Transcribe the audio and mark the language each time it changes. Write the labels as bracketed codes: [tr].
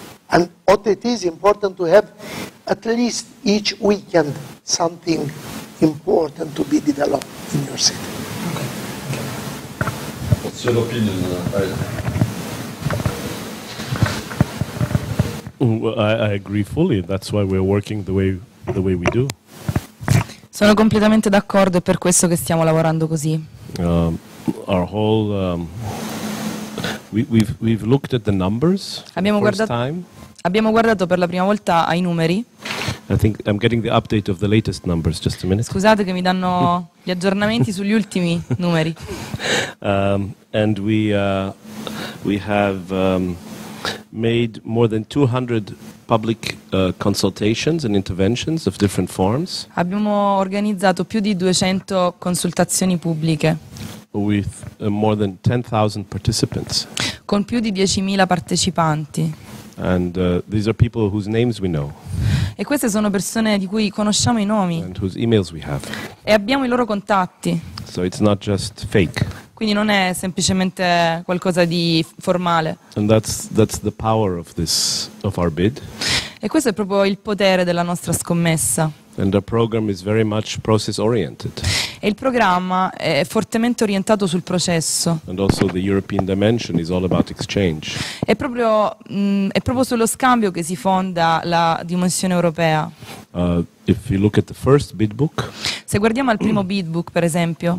[en] And what it is important to have at least each weekend something important to be developed in your city. Okay. Okay. What's your opinion? I agree fully. That's why we're working the way we do. [it] Sono completamente d'accordo, è per questo che stiamo lavorando così. [en] Our whole we've looked at the numbers. [it] Abbiamo guardato per la prima volta ai numeri. [en] I think I'm getting the update of the latest numbers, just a minute. [it] Scusate che mi danno gli aggiornamenti sugli ultimi numeri. [en] And we have made more than 200 public consultations and interventions of different forms. [it] Abbiamo organizzato più di 200 consultazioni pubbliche. [en] With more than 10,000 participants. [it] Con più di 10,000 partecipanti. [en] And these are people whose names we know. [it] E queste sono persone di cui conosciamo i nomi. [en] And whose emails we have. [it] E abbiamo i loro contatti. [en] So it's not just fake. [it] Quindi non è semplicemente qualcosa di formale. [en] And that's the power of this, of our bid. [it] E questo è proprio il potere della nostra scommessa. [en] And the program is very much process oriented. [it] E il programma è fortemente orientato sul processo. [en] And also the European dimension is all about exchange. [it] È proprio sullo scambio che si fonda la dimensione europea. [en] If you look at the first bid book, [it] se guardiamo al primo bid book, per esempio,